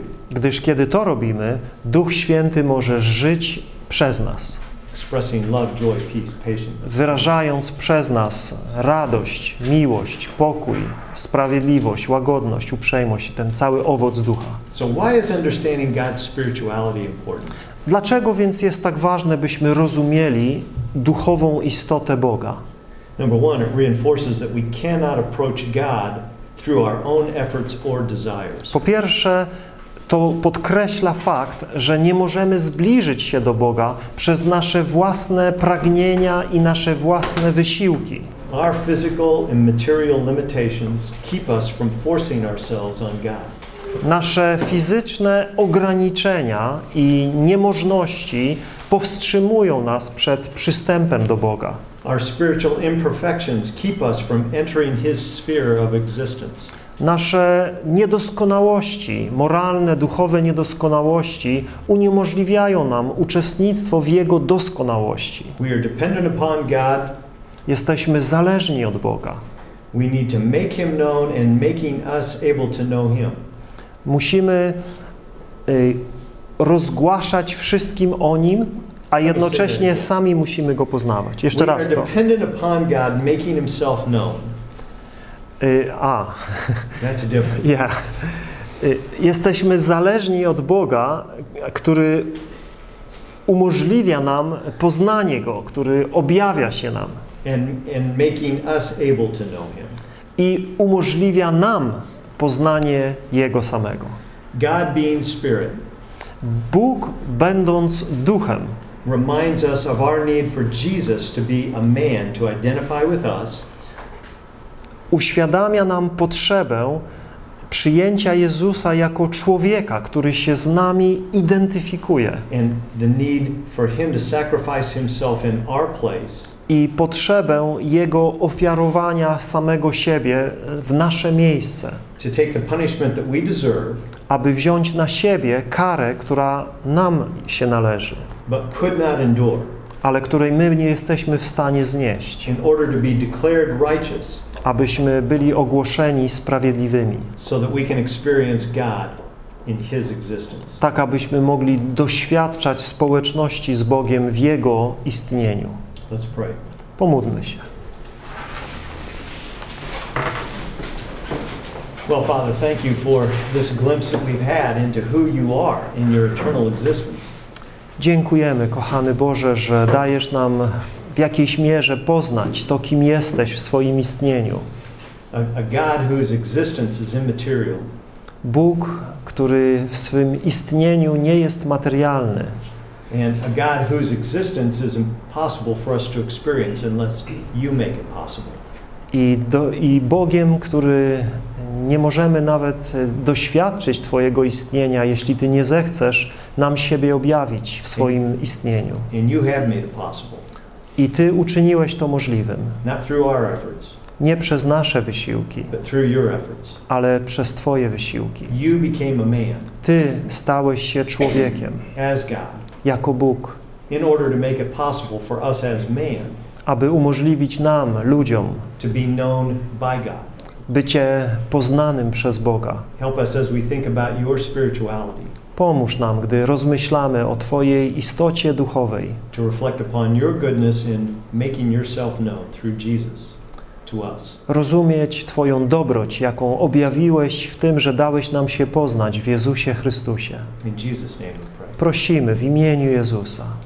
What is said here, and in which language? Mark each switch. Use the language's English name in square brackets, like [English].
[Polish] Gdyż kiedy to robimy, Duch Święty może żyć przez nas. [English] expressing love, joy, peace, patience. [Polish] Wyrażając przez nas radość, miłość, pokój, sprawiedliwość, łagodność, uprzejmość, ten cały owoc Ducha. [English] So why is understanding God's spirituality important? [Polish] Dlaczego więc jest tak ważne, byśmy rozumieli duchową istotę Boga? [English] Number one, it reinforces that we cannot approach God through our own efforts or desires. [Polish] Po pierwsze, to podkreśla fakt, że nie możemy zbliżyć się do Boga przez nasze własne pragnienia i nasze własne wysiłki. [English] Our physical and material limitations keep us from forcing ourselves on God. [Polish] Nasze fizyczne ograniczenia i niemożności powstrzymują nas przed przystępem do Boga. [English] Our spiritual imperfections keep us from entering His sphere of existence. [Polish] Nasze niedoskonałości, moralne, duchowe niedoskonałości uniemożliwiają nam uczestnictwo w Jego doskonałości. [English] We are dependent upon God. [Polish] Jesteśmy zależni od Boga. [English] We need to make Him known and making us able to know Him. [Polish] Musimy rozgłaszać wszystkim o Nim, a jednocześnie sami musimy Go poznawać. Jeszcze [English] we [Polish] raz to. [English] We are dependent upon God making Himself known. That's a difference. Yeah. [Polish] Jesteśmy zależni od Boga, który umożliwia nam poznanie Go, który objawia się nam. [English] And making us able to know Him. [Polish] I umożliwia nam poznanie Jego samego. [English] God being spirit. [Polish] Bóg będąc duchem. [English] Reminds us of our need for Jesus to be a man to identify with us. [Polish] Uświadamia nam potrzebę przyjęcia Jezusa jako człowieka, który się z nami identyfikuje. [English] And the need for him to sacrifice himself in our place. [Polish] I potrzebę Jego ofiarowania samego siebie w nasze miejsce. [English] To take the punishment that we deserve, [Polish] aby wziąć na siebie karę, która nam się należy. [English] But could not endure, [Polish] ale której my nie jesteśmy w stanie znieść. [English] In order to be declared righteous, [Polish] abyśmy byli ogłoszeni sprawiedliwymi. [English] So that we can experience God in his existence. [Polish] Tak, abyśmy mogli doświadczać społeczności z Bogiem w Jego istnieniu. [English] Let's pray. [Polish] Pomódlmy się. [English] Well, Father, thank you for this glimpse that we've had into who you are in your eternal existence. [Polish] Dziękujemy, kochany Boże, że dajesz nam w jakiejś mierze poznać to, kim jesteś w swoim istnieniu. [English] A God whose existence is immaterial. [Polish] Bóg, który w swym istnieniu nie jest materialny. [English] And a God whose existence is impossible for us to experience unless you make it possible. [Polish] I Bogiem, który nie możemy nawet doświadczyć Twojego istnienia, jeśli Ty nie zechcesz nam siebie objawić w swoim istnieniu. [English] And you have made it possible. [Polish] I Ty uczyniłeś to możliwym. [English] Not through our efforts, [Polish] nie przez nasze wysiłki, [English] but through your efforts, [Polish] ale przez Twoje wysiłki. [English] You became a man. [Polish] Ty stałeś się człowiekiem [English] as God, [Polish] jako Bóg, [English] in order to make it possible for us as man, [Polish] aby umożliwić nam, ludziom, [English] to be known by God. [Polish] Bycie poznanym przez Boga. [English] Help us as we think about your spirituality. [Polish] Pomóż nam, gdy rozmyślamy o Twojej istocie duchowej. [English] To reflect upon your goodness in making yourself known through Jesus to us. [Polish] Rozumieć Twoją dobroć, jaką objawiłeś w tym, że dałeś nam się poznać w Jezusie Chrystusie. [English] In Jesus' name we pray. [Polish] Prosimy w imieniu Jezusa.